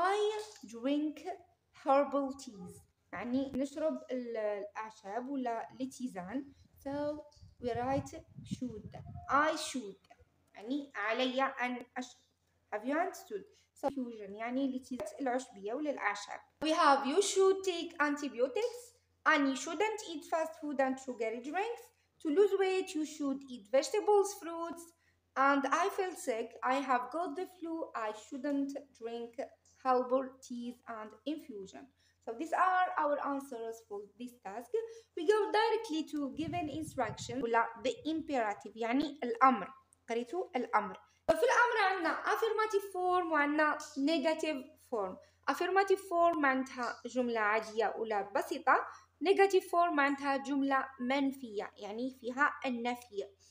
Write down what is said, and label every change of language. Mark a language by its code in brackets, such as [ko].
[en] I drink herbal teas [ar] يعني نشرب الأعشاب ولا التيزان. [en] So we write should. I should. [ar] يعني علي أن أشرب. [en] Have you understood? So fusion. [ar] يعني لتيزة العشبية ولا الأعشاب. [en] We have you should take antibiotics. And you shouldn't eat fast food and sugary drinks. To lose weight you should eat vegetables, fruits. And I feel sick. I have got the flu. I shouldn't drink herbal teas and infusion. So these are our answers for this task. We go directly to given instructions. [ar] ولا [en] the imperative [ar] يعني الأمر. قريتو الأمر. ففي الأمر عندنا [en] affirmative form [ar] وعندنا [en] negative form. Affirmative form [ar] معناتها جملة عادية ولا بسيطة. [en] Negative form [ar] معناتها جملة منفية يعني فيها النفي.